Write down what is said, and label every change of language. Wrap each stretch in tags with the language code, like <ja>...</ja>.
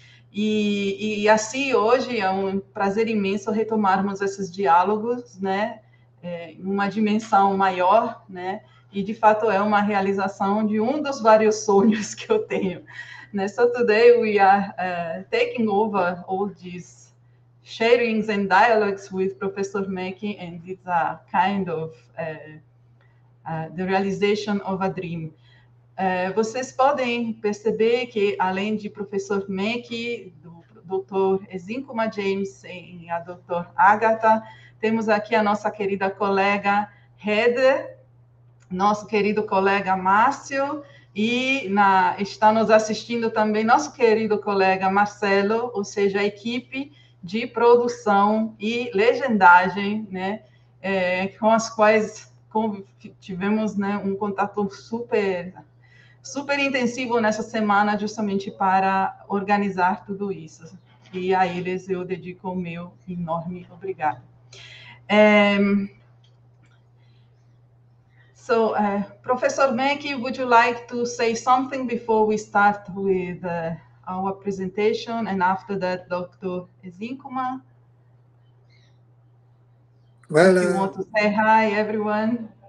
<pt>E assim, hoje é um prazer imenso retomarmos esses diálogos, né, uma dimensão maior, né? E de fato é uma realização de um dos vários sonhos que eu tenho. Né?</pt> <en>So today we are taking over all these sharings and dialogues with Professor Mackie, and it's a kind of the realization of a dream.</en> <pt>Vocês podem perceber que além de Professor Mackie, do Dr. Ezinkuma James e a Dr. Agatha, temos aqui a nossa querida colega Heather, nosso querido colega Márcio, E está nos assistindo também nosso querido colega Marcelo, ou seja, a equipe de produção e legendagem, né, com as quais tivemos, né, um contato super, super intensivo nessa semana, justamente para organizar tudo isso. E a eles eu dedico o meu enorme obrigado.</pt> <en>So, Professor Mackey, would you like to say something before we start with our presentation, and after that, Dr. Ezinkuma? Well, you want to say hi, everyone?</en>